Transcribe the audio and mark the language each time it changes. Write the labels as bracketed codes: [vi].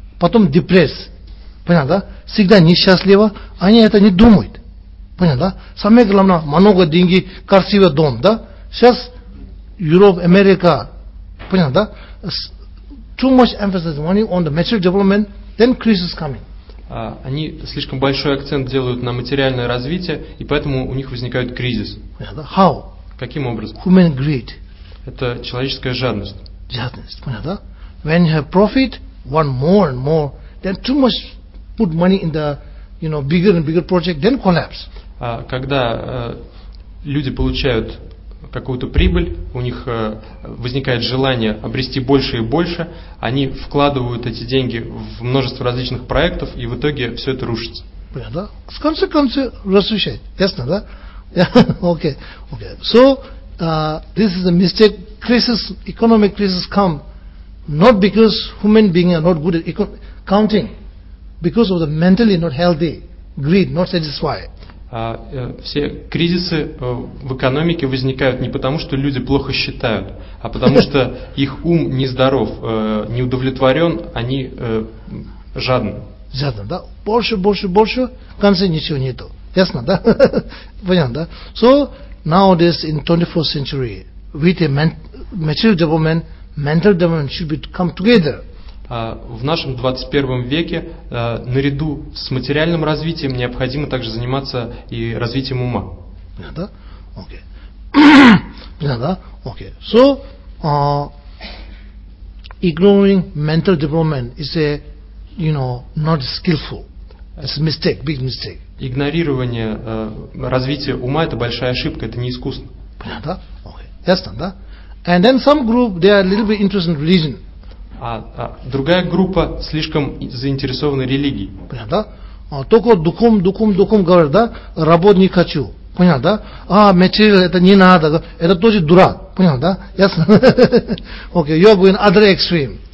[ru] Потом депрессия. Понятно, да? Всегда несчастливо. Они это не думают. Понятно, да? Самое главное, много деньги, красивый дом, да? Сейчас Европа, Америка, понятно, да? [en] Too much emphasis money on the material development, then crisis coming. [ru] Они слишком большой акцент делают на материальное развитие, и поэтому у них возникает кризис. [en] How? [ru] Каким образом? [en] Human greed. [ru] Это человеческая жадность. Жадность, понятно? [en] When you have profit, want more and more, then too much put money in the, you know, bigger and bigger project, then collapse. [ru] Когда люди получают какую-то прибыль, у них возникает желание обрести больше и больше, они вкладывают эти деньги в множество различных проектов, и в итоге все это рушится. Понятно, да? С конца концов рассуждать. Ясно, да? Окей. [en] Yeah, okay. So, this is a mistake. Crisis, economic crisis come not because human beings are not good at counting, because of the mentally not healthy, greed not satisfied. [ru] Все кризисы в экономике возникают не потому, что люди плохо считают, а потому что их ум нездоров, не удовлетворен, они жадны. Жадно, да? Больше, больше, больше, в конце ничего нету. Ясно, да? Понятно, да? [en] So, nowadays in 21st century, with a material development, mental development should be come together. [ru] В нашем 21 веке наряду с материальным развитием необходимо также заниматься и развитием ума. Понятно? Окей. Понятно? Окей. [en] So, ignoring mental development is a, you know, not skillful. It's a mistake, big mistake. [ru] Игнорирование развития ума – это большая ошибка, это не искусно. Понятно? Окей. Ясно, да? [en] And then some group, they are a little bit interested in religion. [ru] А другая группа слишком заинтересована религией. Понятно, да? Только духом, духом, духом говорят, да? Работать не хочу. Понятно, да? Материал это не надо. Это тоже дурак. Понятно, да? Ясно? Окей, [en] okay, you're going other extreme.